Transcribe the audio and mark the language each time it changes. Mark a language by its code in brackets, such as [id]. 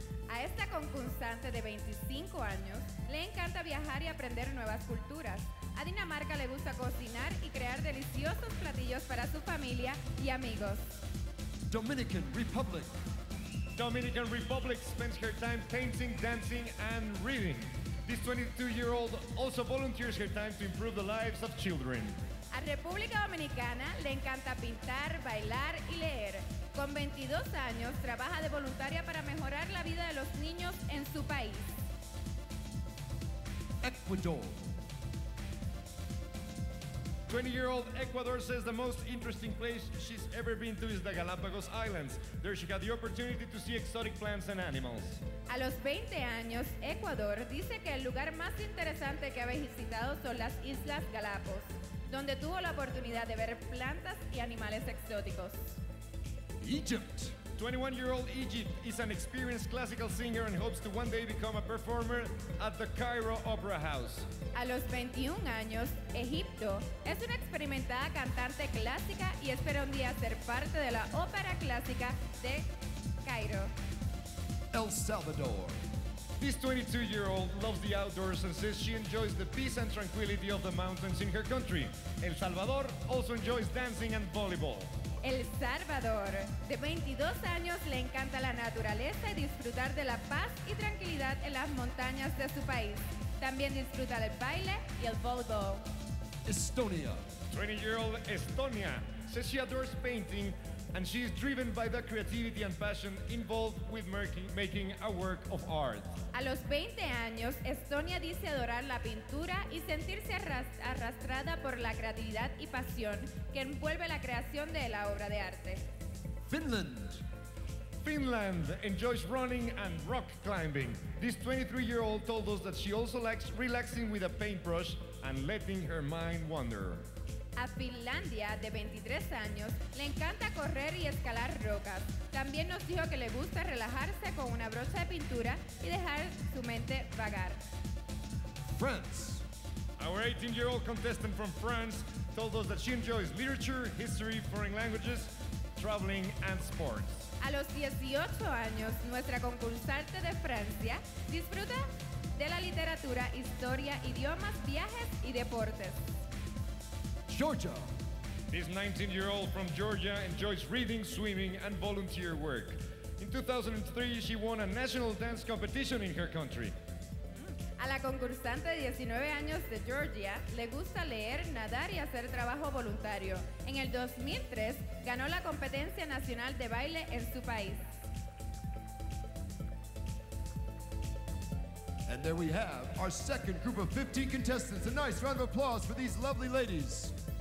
[es] A esta concursante de 25 años le encanta viajar y aprender nuevas culturas. A Dinamarca le gusta cocinar y crear deliciosos platillos para su familia y amigos. [en] Dominican Republic. Dominican Republic spends her time painting, dancing, and reading. This 22-year-old also volunteers her time to improve the lives of children. [es] A República Dominicana le encanta pintar, bailar y leer. Con 22 años, trabaja de voluntaria para mejorar la vida de los niños en su país. [en] Ecuador. 20-year-old Ecuador says the most interesting place she's ever been to is the Galapagos Islands. There she got the opportunity to see exotic plants and animals. [es] A los 20 años, Ecuador dice que el lugar más interesante que ha visitado son las Islas Galapagos, donde tuvo la oportunidad de ver plantas y animales exóticos. [en] Egypt. 21-year-old Egypt is an experienced classical singer and hopes to one day become a performer at the Cairo Opera House. [es] A los 21 años, Egipto es una experimentada cantante clásica y espera un día ser parte de la ópera clásica de Cairo. [en] El Salvador. This 22-year-old loves the outdoors and says she enjoys the peace and tranquility of the mountains in her country. El Salvador also enjoys dancing and volleyball. [es] El Salvador, de 22 años, le encanta la naturaleza y disfrutar de la paz y tranquilidad en las montañas de su país. También disfruta del baile y el volleyball. [en] Estonia. 20-year-old Estonia says she adores painting and she is driven by the creativity and passion involved with making a work of art. [es] A los 20 años, Estonia dice adorar la pintura y sentirse arrastrada por la creatividad y pasión que envuelve la creación de la obra de arte. [en] Finland enjoys running and rock climbing. This 23-year-old told us that she also likes relaxing with a paintbrush and letting her mind wander. [es] A Finlandia, de 23 años, le encanta correr y escalar rocas. También nos dijo que le gusta relajarse con una brocha de pintura y dejar su mente vagar. [en] France. Our 18-year-old contestant from France told us that she enjoys literature, history, foreign languages, traveling, and sports. [es] A los 18 años, nuestra concursante de Francia disfruta de la literatura, historia, idiomas, viajes y deportes. [en] Georgia. This 19-year-old from Georgia enjoys reading, swimming, and volunteer work. In 2003, she won a national dance competition in her country. [es] A la concursante de 19 años de Georgia, le gusta leer, nadar y hacer trabajo voluntario. En el 2003, ganó la competencia nacional de baile en su país. [en] And there we have our second group of 15 contestants. A nice round of applause for these lovely ladies.